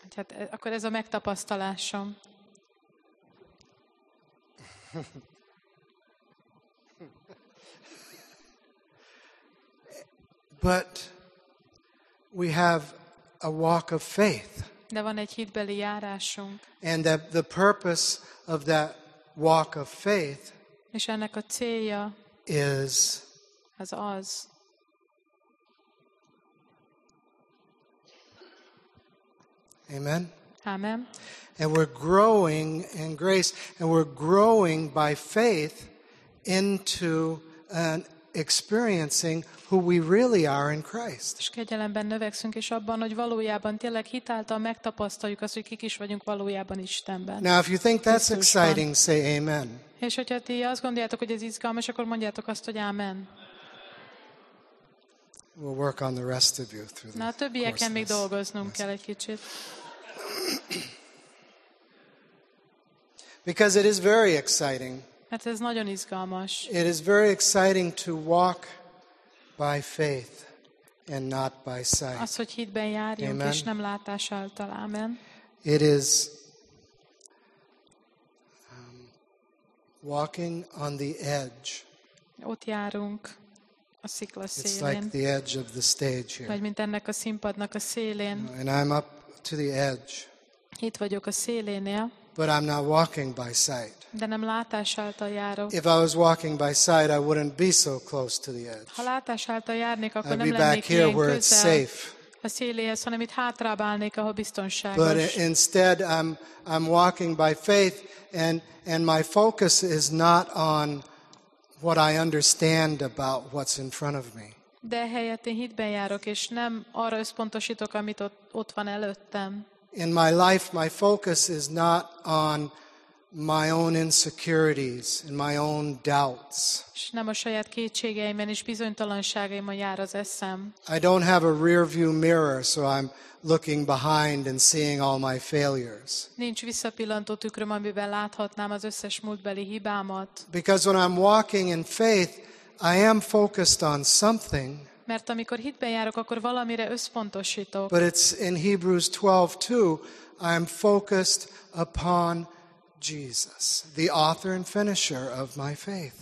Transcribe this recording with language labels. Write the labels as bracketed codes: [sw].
[hu] Hát akkor ez a megtapasztalásom. [en] But we have a walk of faith. [hu] De van egy hitbeli járásunk. [en] And that the purpose of that walk of faith [hu] és ennek a célja [en] is [hu] az az. [en] Amen. Amen. And we're growing in grace and we're growing by faith into an experiencing who we really are in Christ. [hu] És kegyelemben növekszünk és abban, hogy valójában tényleg hitáltal megtapasztaljuk azt, hogy kik is vagyunk valójában Istenben. [en] Now if you think that's exciting, say amen. [hu] És hogyha ti azt gondoljátok, hogy ez izgalmas, akkor mondjátok azt, hogy amen. [en] We'll work on the rest of you through this. [hu] Na, a többieken még dolgoznunk kell egy kicsit. [en] Because it is very exciting. [hu] Hát ez nagyon izgalmas. [en] It is very exciting to walk by faith and not by sight. [hu] Az, hogy hitben járjunk, amen. És nem látás által. Amen. [en] It is walking on the edge. [hu] Ott járunk a szikla szélén. [en] It's like the edge of the stage here. [hu] Vagy mint ennek a színpadnak a szélén. [en] And I'm up to the edge. [hu] Itt vagyok a szélénél. [en] But I'm not walking by sight. [hu] De nem látás által járok. [en] If I was walking by sight, I wouldn't be so close to the edge. [hu] Ha látás által járnék, akkor [en] I'd [hu] nem lennék ilyen közel a széléhez, hanem itt hátrább állnék, ahol biztonságos. [en] But instead, I'm walking by faith, and my focus is not on what I understand about what's in front of me. [hu] De helyett én hitben járok, és nem arra összpontosítok, amit ott van előttem. [en] In my life, my focus is not on my own insecurities and my own doubts. [hu] És nem a saját kétségeimen és bizonytalanságaimon jár az eszem. [en] I don't have a rear view mirror, so I'm looking behind and seeing all my failures. [hu] Nincs visszapillantó tükröm, amiben láthatnám az összes múltbeli hibámat. [en] Because when I'm walking in faith, I am focused on something. [hu] Mert amikor hitben járok, akkor valamire összpontosítok. [en] But it's in Hebrews 12:2, I am focused upon Jesus, the author and finisher of my faith.